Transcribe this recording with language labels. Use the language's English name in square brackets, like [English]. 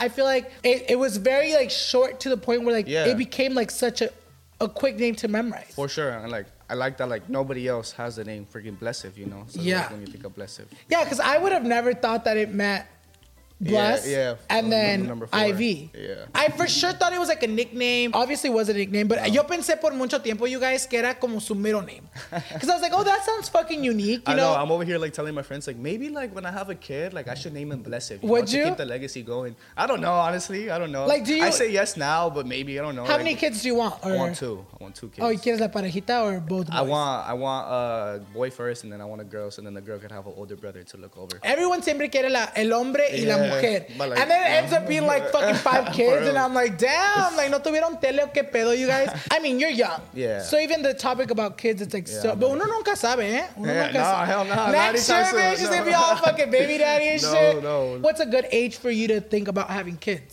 [English] I feel like it was very, like, short to the point where, like, it became, like, such a quick name to memorize. For sure. And, like, I like that, like, nobody else has the name freaking Blesiv, you know? So yeah. Like, when you think of Blesiv. Yeah, because I would have never thought that it meant Bless and then IV. Yeah. I for sure thought it was, like, a nickname. Obviously, it was a nickname. [Spanish] But yo pensé por mucho tiempo, you guys, que era como su middle name. [English] Because I was like, oh, that sounds fucking unique, you know? I know. I'm over here, like, telling my friends, like, maybe, like, when I have a kid, like, I should name him Blesiv. Would you? To keep the legacy going. I don't know, honestly. I don't know. Like, do you? I say yes now, but maybe. I don't know. How many kids do you want? Or? I want two kids. [Spanish] Oh, ¿quieres la parejita [English] or both boys? I want a boy first, and then I want a girl, so then the girl can have an older brother to look over. [Spanish] Everyone siempre quiere el hombre y la mujer. [English] Like, and then it ends up being like fucking five kids, and I'm like, damn, like, [Spanish] no tuvieron tele o qué pedo, [English] you guys? I mean, you're young. Yeah. So even the topic about kids, it's like, but [Spanish] uno nunca sabe, eh? [English] Hell no. Next year, bitch, is gonna be all fucking baby daddy and shit. No. What's a good age for you to think about having kids?